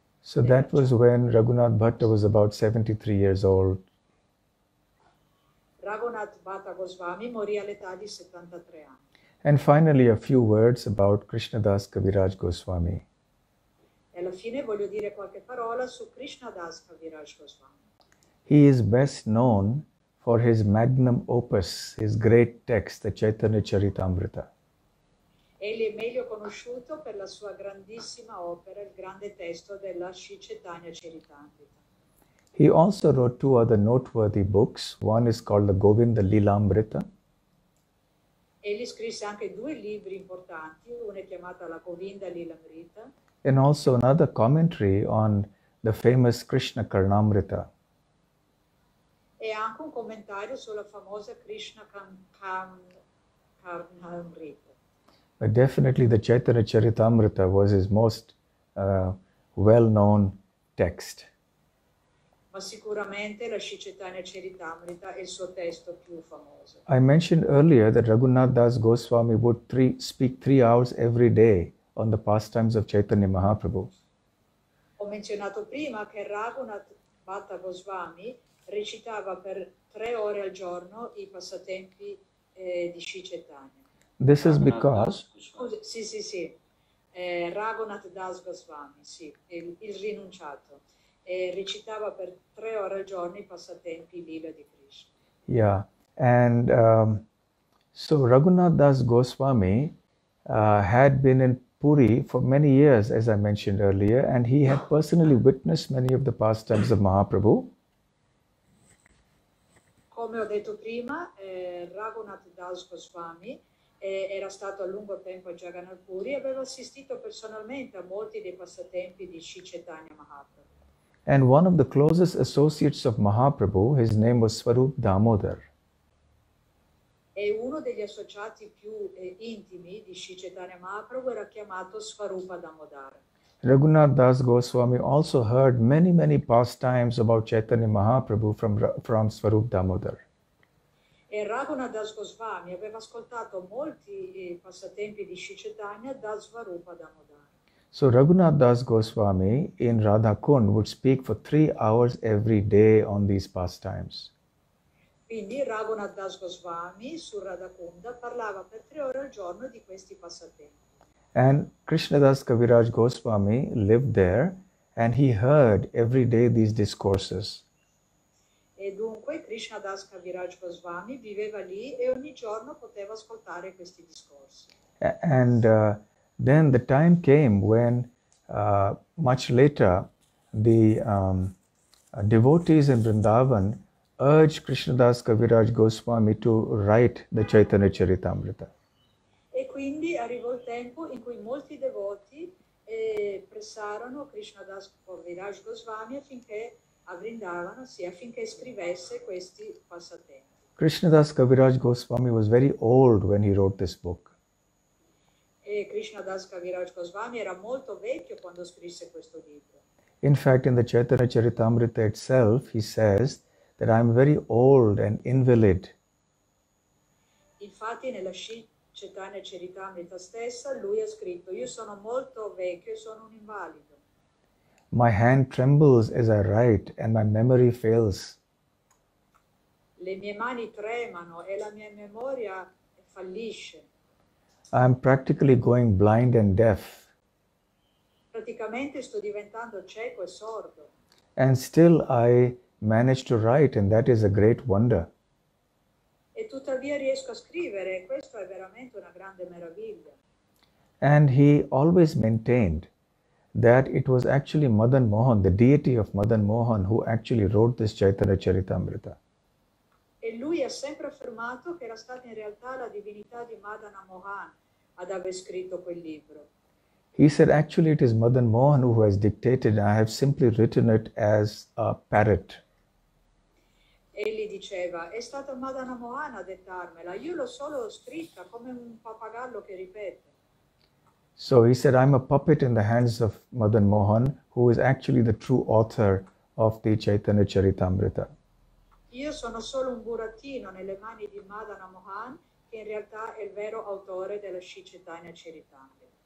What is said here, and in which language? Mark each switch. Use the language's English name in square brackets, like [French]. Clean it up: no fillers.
[English] So that was when Raghunath Bhat was about 73 years old. [Italian] Raghunath Bhat Goswami morì all'età di 73 anni. [English] And finally, a few words about Krishna Dasa Kaviraj Goswami. [Italian] E alla fine voglio dire qualche parola su Krishna Dasa Kaviraj Goswami. [English] He is best known for his magnum opus, his great text, the Chaitanya Charitamrita. [Italian] Egli è meglio conosciuto per la sua grandissima opera, il grande testo della Sri Chaitanya Charitamrita. [English] He also wrote two other noteworthy books. One is called the Govinda Lilamrita. [Italian] Egli scrisse anche due libri importanti, una è chiamata la Govinda Lilamrita. [English] And also another commentary on the famous Krishna Karnamrita. [Italian] E anche un commentario sulla famosa Krishna Karnamrita. [English] But definitely the Chaitanya Charitamrita was his most well-known text. [Italian] Ma sicuramente la Sri Chaitanya Charitamrita è il suo testo più famoso. [English] I mentioned earlier that Raghunath Das Goswami would speak three hours every day on the pastimes of Chaitanya Mahaprabhu. [Italian] Ho menzionato prima che Raghunath Bhat Goswami recitava per 3 ore al giorno i passatempi di Sri Chaitanya. [English] This is because [Italian] Sì. Raghunath Dasa Goswami, sì, il rinunciato. Recitava per tre ore al giorno i passatempi lila di Krishna. [English] Yeah, and so Raghunath Dasa Goswami had been in Puri for many years, as I mentioned earlier, and he had personally witnessed many of the pastimes of Mahaprabhu. [Italian] Come ho detto prima, Raghunath Dasa Goswami era stato a lungo tempo a Jagannath Puri e aveva assistito personalmente a molti dei passatempi di Sri Chaitanya Mahaprabhu. [English] And one of the closest associates of Mahaprabhu, his name was Swarup Damodar. [Italian] E uno degli associati più intimi di Sri Chaitanya Mahaprabhu era chiamato Swarupa Damodara. [English] Raghunath Dasa Goswami also heard many, many pastimes about Chaitanya Mahaprabhu from Swarup Damodar. [Italian] E Raghunath Dasa Goswami aveva ascoltato molti passatempi di Sri Chaitanya da Swarupa Damodara. [English] So Raghunath Dasa Goswami in Radha Kund would speak for 3 hours every day on these pastimes. [Italian] Quindi Raghunath Dasa Goswami su Radha Kunda parlava per 3 ore al giorno di questi passatempi. [English] And Krishna Dasa Kaviraj Goswami lived there and he heard every day these discourses. [Italian] E dunque Krishna Dasa Kaviraj Goswami viveva lì e ogni giorno poteva ascoltare questi discorsi. [English] And then the time came when much later the devotees in Vrindavan urged Krishna Dasa Kaviraj Goswami to write the Chaitanya Charitamrita. [Italian] E quindi arrivò il tempo in cui molti devoti pressarono Krishna Dasa Kaviraj Goswami affinché a Vrindavan, sì, affinché scrivesse questi passatempi. [English] Krishna Dasa Kaviraj Goswami was very old when he wrote this book. [Italian] E Krishna Dasa Kaviraj Goswami era molto vecchio quando scrisse questo libro. [English] In fact, in the Chaitanya Charitamrita itself, he says that I am very old and invalid. [Italian] Infatti nella Chaitanya Charitamrita stessa lui ha scritto: io sono molto vecchio e sono un invalido. [English] My hand trembles as I write and my memory fails. [Italian] Le mie mani tremano e la mia memoria fallisce. [English] I am practically going blind and deaf. [Italian] Praticamente sto diventando cieco e sordo. [English] And still I managed to write, and that is a great wonder. [Italian] E tuttavia riesco a scrivere, e questo è veramente una grande meraviglia. [English] And he always maintained that it was actually Madan Mohan, the deity of Madan Mohan, who actually wrote this Chaitanya Charitamrita. [Italian] E lui ha sempre affermato che era stata in realtà la divinità di Madana Mohan ad aver scritto quel libro. [English] He said, actually, it is Madan Mohan who has dictated, and I have simply written it as a parrot. [Italian] Egli diceva, è stata Madana Mohan a dettarmela, io l'ho solo scritta come un pappagallo che ripete. [English] So he said, I'm a puppet in the hands of Madan Mohan, who is actually the true author of the Chaitanya Charitamrita. [Italian] Io sono solo un burattino nelle mani di Madana Mohan, che in realtà è il vero autore della Sri Chaitanya Charitamrita.